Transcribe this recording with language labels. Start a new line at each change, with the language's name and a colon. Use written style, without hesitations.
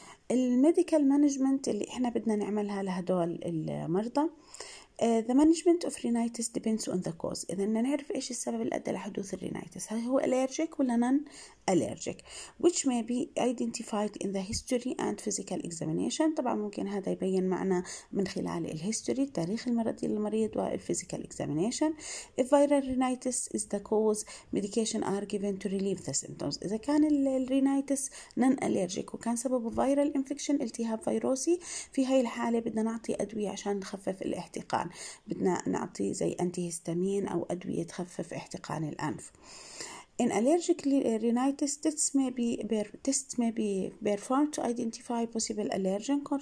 Arabic: الميديكال مانجمنت اللي احنا بدنا نعملها لهدول المرضى،
English: the management of rhinitis depends on the cause.
Arabic: إذن نعرف إيش السبب اللي أدى لحدوث الرينيتس، هل هو allergic ولا non-allergic،
English: which may be identified in the history and physical examination.
Arabic: طبعا ممكن هذا يبين معنا من خلال الهيستوري، التاريخ المرضي للمريض، والphysical examination.
English: If viral rhinitis is the cause, medication are given to relieve the symptoms.
Arabic: إذا كان الرينيتس non-allergic وكان سببه viral infection، التهاب فيروسي، في هاي الحالة بدنا نعطي أدوية عشان نخفف الاحتقان، بدنا نعطي زي أنتيهستامين أو أدوية تخفف احتقان الأنف.
English: In allergic rhinitis, tests may be performed to identify possible allergen.